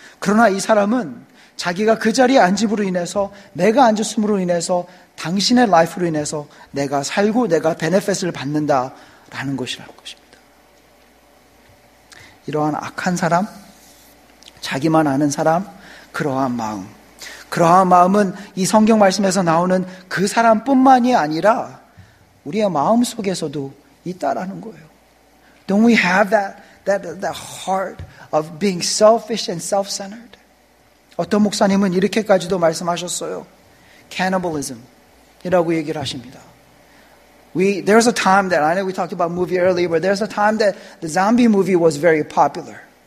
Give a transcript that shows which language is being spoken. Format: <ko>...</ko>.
<ko>그러나 이 사람은 자기가 그 자리에 앉음으로 인해서, 내가 앉았음으로 인해서, 당신의 life로 인해서 내가 살고 내가 benefit을 받는다라는 것이라는 것입니다. 이러한 악한 사람, 자기만 아는 사람, 그러한 마음. 그러한 마음은 이 성경 말씀에서 나오는 그 사람뿐만이 아니라 우리의 마음 속에서도 있다라는 거예요.</ko> <en>Don't we have that heart of being selfish and self-centered?</en> <ko>어떤 목사님은 이렇게까지도 말씀하셨어요. Cannibalism이라고 얘기를 하십니다.</ko> <en>There's a time that, I know we talked about movie earlier, but there's a time that the zombie movie was very popular.</en>